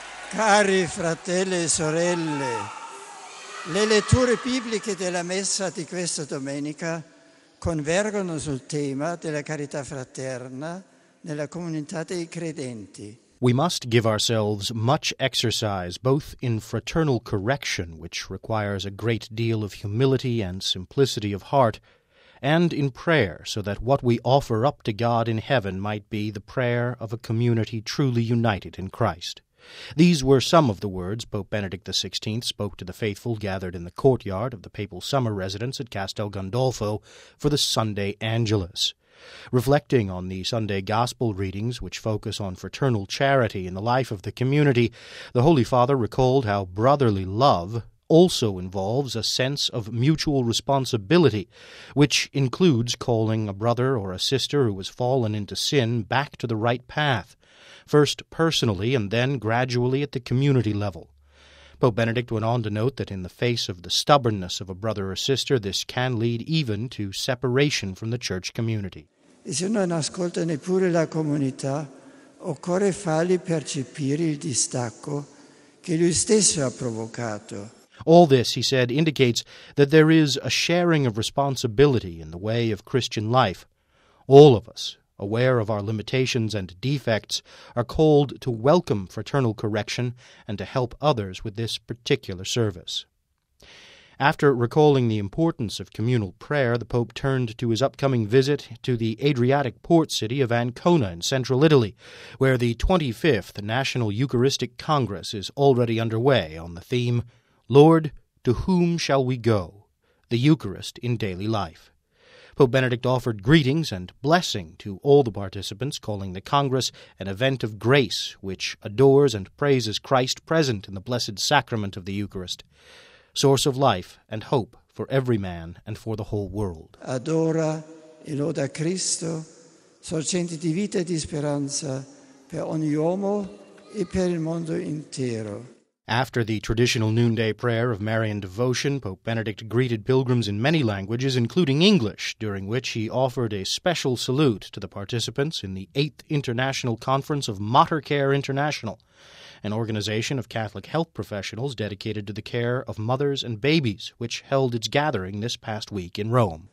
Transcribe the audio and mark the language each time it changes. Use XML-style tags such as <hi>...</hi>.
<it>Cari fratelli e sorelle, le letture bibliche della messa di questa domenica convergono sul tema della carità fraterna nella comunità dei credenti.</it> <en>We must give ourselves much exercise, both in fraternal correction, which requires a great deal of humility and simplicity of heart, and in prayer, so that what we offer up to God in heaven might be the prayer of a community truly united in Christ. These were some of the words Pope Benedict XVI spoke to the faithful gathered in the courtyard of the papal summer residence at Castel Gandolfo for the Sunday Angelus. Reflecting on the Sunday Gospel readings, which focus on fraternal charity in the life of the community, the Holy Father recalled how brotherly love also involves a sense of mutual responsibility, which includes calling a brother or a sister who has fallen into sin back to the right path, first personally and then gradually at the community level. Pope Benedict went on to note that in the face of the stubbornness of a brother or sister, this can lead even to separation from the church community.</en> <it>Se non ascolta neppure la comunità, occorre fargli percepire il distacco che lui stesso ha provocato.</it> <en>All this, he said, indicates that there is a sharing of responsibility in the way of Christian life. All of us, aware of our limitations and defects, are called to welcome fraternal correction and to help others with this particular service. After recalling the importance of communal prayer, the Pope turned to his upcoming visit to the Adriatic port city of Ancona in central Italy, where the 25th National Eucharistic Congress is already underway on the theme, Lord, to whom shall we go? The Eucharist in daily life. Pope Benedict offered greetings and blessing to all the participants, calling the Congress an event of grace which adores and praises Christ present in the Blessed Sacrament of the Eucharist, source of life and hope for every man and for the whole world.</en> <it>Adora e loda Cristo, sorgente di vita e di speranza per ogni uomo e per il mondo intero.</it> <en>After the traditional noonday prayer of Marian devotion, Pope Benedict greeted pilgrims in many languages, including English, during which he offered a special salute to the participants in the 8th International Conference of Mater Care International, an organization of Catholic health professionals dedicated to the care of mothers and babies, which held its gathering this past week in Rome.</en>